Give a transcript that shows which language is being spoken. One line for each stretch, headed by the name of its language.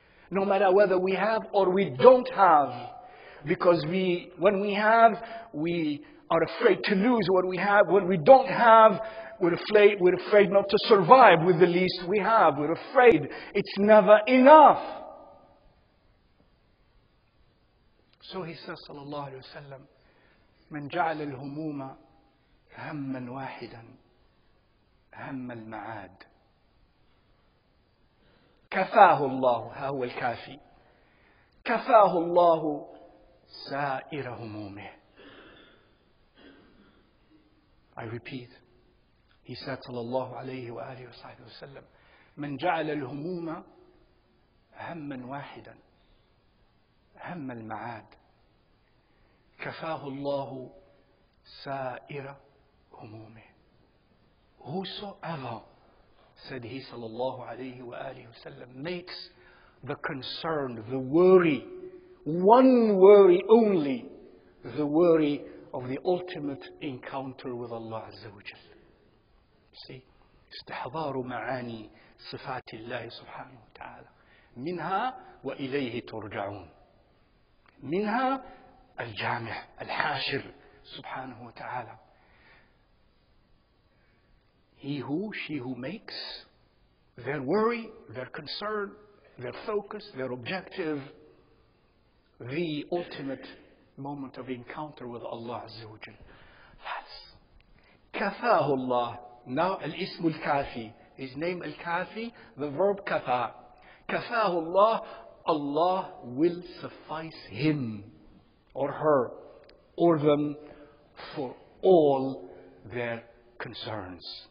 English: No matter whether we have or we don't have, because when we have, we are afraid to lose what we have. When we don't have, we're afraid not to survive with the least we have. We're afraid it's never enough. So he says,
Arabic: sallallahu alayhi wa sallam, من جعل الهموم هما واحدا هم المعاد كفاه الله ها هو الكافي كفاه الله سائر همومه.
English: I repeat, he said sallallahu alayhi wa alihi wa sahbihi wa sallam,
Arabic: من جعل الهموم هما واحدا هم المعاد كفاه الله سائر همومه.
English: Whosoever, said he sallallahu alayhi wa alihi wa sallam, makes the concern, the worry, one worry only, the worry of the ultimate encounter with Allah Azza wa Jal.
Arabic: See, استحضار معاني صفات الله سبحانه وتعالى منها وإليه ترجعون منها الجامع الحاشر سبحانه وتعالى.
English: He who, she who makes their worry, their concern, their focus, their objective, the ultimate moment of encounter with Allah Azza wa Jal.
Arabic: That's كفاه الله.
English: Now
Arabic: الاسم الكافي,
English: his name الكافي, the verb كفا.
Arabic: كفاه الله,
English: Allah will suffice him or her or them for all their concerns.